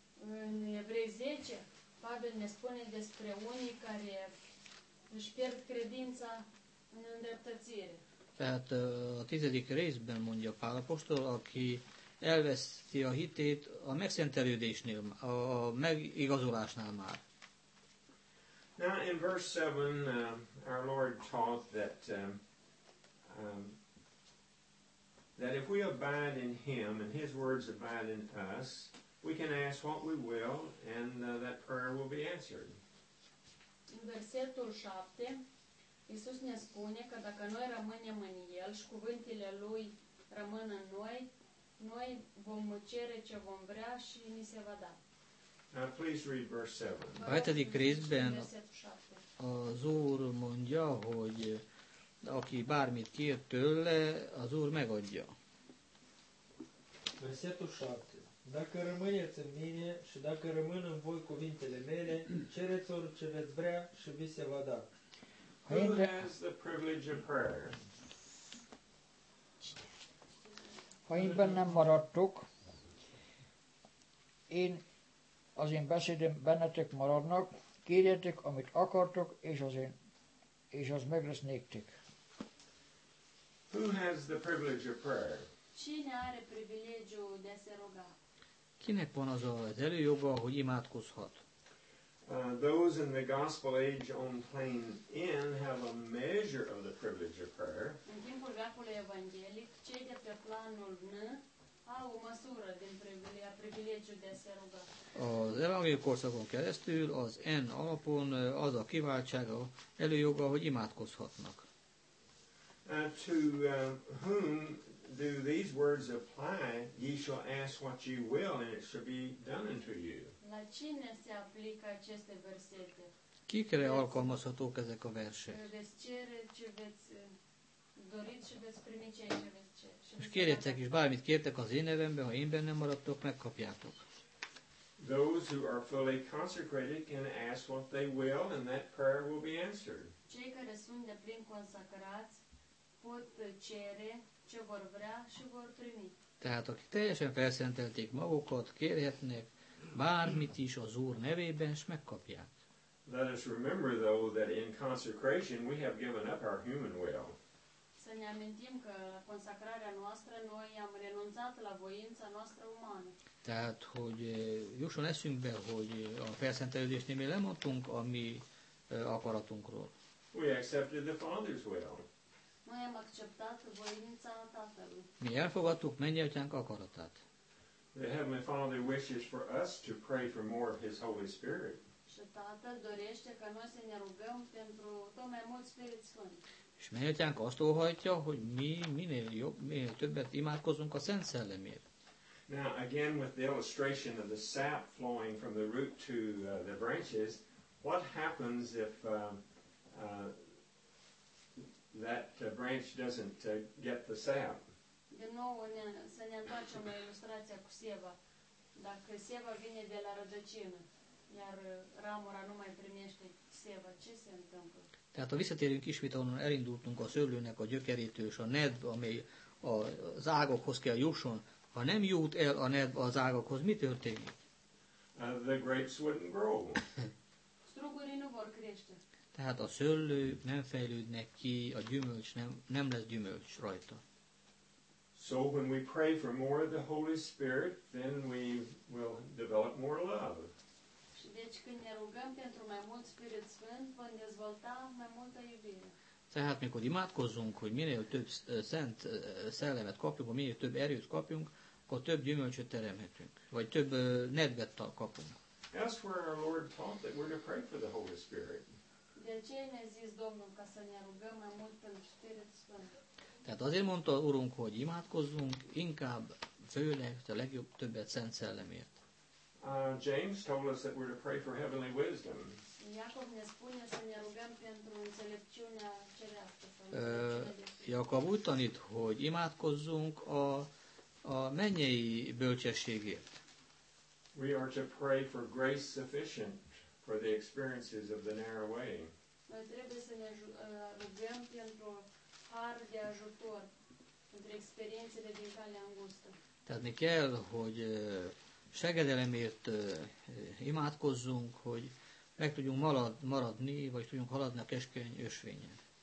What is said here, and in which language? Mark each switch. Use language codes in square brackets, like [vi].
[ro] În Evrei 10, Pavel ne spune despre unii care își pierd credința în îndreptățire. [hu] Tehát a tizedik részben mondja Pál apostol, aki elveszti a hitét a megszentelődésnél, a megigazolásnál már. [en] Now, in verse 7, our Lord taught that that if we abide in Him and His words abide in us, we can ask what we will, and that prayer will be answered. [ro] In versetul 7, Iisus ne spune că dacă noi rămânem în El și cuvintele Lui rămân în noi, noi vom cere ce vom vrea și ni se va da. [en] Now please read verse 7. [hu] Az Úr mondja, hogy aki bármit kér tőle, az Úr megadja. [ro] Versetul 7. Dacă rămâneți în mine și dacă rămân în voi cuvintele mele, cereți orice veți vrea și vi se va da. [en] Who has the privilege of prayer? [hu] Ha én bennem maradtok, én az én beszédem bennetek maradnak, kérjetek, amit akartok, és az én, és az meg lesz néktek. [en] Who has the privilege of prayer? [ro] Cine are privilegiul de a se roga? [hu] Kinek van az az előjoga, hogy imádkozhat? [en] Those in the gospel age on plain in have a measure of the privilege of prayer. [ro] În timpul veacului evanghelic, cei de pe planul N au o măsură din privilegiul de a se ruga. [hu] Az evanghelic korszakon keresztül az N alapon az a kiváltsága előjoga, hogy imádkozhatnak. [en] To whom do these words apply? Ye shall ask what you will and it shall be done unto you. [ro] La cine se aplică aceste versete? [hu] Kikre alkalmazhatók ezek a versek? [ro] Veți cere ce veți doriți și veți primi ceea ce veți cere. [hu] És kérjetek is bármit kértek az én nevemben, ha én bennem maradtok, megkapjátok. [en] Those who are fully consecrated can ask what they will and that prayer will be answered. [ro] Cei care sunt de plin consacrați pot cere ce vor vrea și vor primi. [hu] Tehát aki teljesen felszentelték magukat, kérhetnek bármit is az Úr nevében, és megkapják. [en] Let us remember though that in consecration we have given up our human will. [ro] Să ne amintim că la consacrarea noastră noi am renunțat la voința noastră umană. [hu] Tehát, hogy jusson eszünkbe, hogy a felszentelődésnél mi lemondtunk a mi akaratunkról. [en] We accepted the Father's will. [ro] Noi am acceptat voința Tatălui. [hu] Mi elfogadtuk mennyi atyánk akaratát. [en] The Heavenly Father wishes for us to pray for more of His Holy Spirit. [ro] Și Tatăl dorește ca noi să ne rugăm pentru tot mai mult Spirit Sfânt. [hu] Și mennyi atyánk azt óhajtja, hogy mi minél jobb, minél többet imádkozunk a Szent Szellemért. [en] Now again with the illustration of the sap flowing from the root to the branches, what happens if that branch doesn't get the sap? [ro] Din nou să ne întoarcem la ilustrația cu seva. Dacă seva vine de la rădăcină, iar ramura nu mai primește seva, ce se întâmplă? [hu] Tehát ha visszatérünk ismét, ahonnan elindultunk a szőlőnek a gyökerétől, és a nedv, amely az ágokhoz kell jusson, ha nem jut el a nedv az ágokhoz, mi történik? [en] The grapes wouldn't grow. [ro] Strugurii nu vor crește. [hu] Tehát a szőlők nem fejlődnek ki, a gyümölcs nem lesz gyümölcs rajta. [en] So when we pray for more of the Holy Spirit, then we will develop more love. [ro] Și deci când ne rugăm pentru mai mult Spirit Sfânt, vom dezvolta mai multă iubire. [hu] Tehát mikor imádkozzunk, hogy minél több szent szellemet kapjunk, vagy minél több erőt kapjunk, akkor több gyümölcsöt teremhetünk, vagy több nedvet kapunk. [en] That's where our Lord taught that we're to pray for the Holy Spirit. [ro] De ce ne zis Domnul ca să ne rugăm mai mult pentru Spirit Sfânt? [hu] Tehát azért mondta Urunk, hogy imádkozzunk, inkább főleg, a legjobb többet Szent Szellemért. [en] James told us that we're to pray for heavenly wisdom. [ro] Jakob ne spune să ne rugăm pentru înțelepciunea cerească. [hu] Jakob úgy tanít, hogy imádkozzunk a mennyei bölcsességért. [en] We are to pray for grace sufficient for the experiences of the narrow way. [ro] Noi trebuie să ne rugăm pentru har de ajutor pentru experiențele din calea îngustă. [hu] Tehát mi kell, hogy segedelemért imádkozzunk, hogy meg tudjunk maradni, vagy tudjunk haladni a keskeny ösvényen.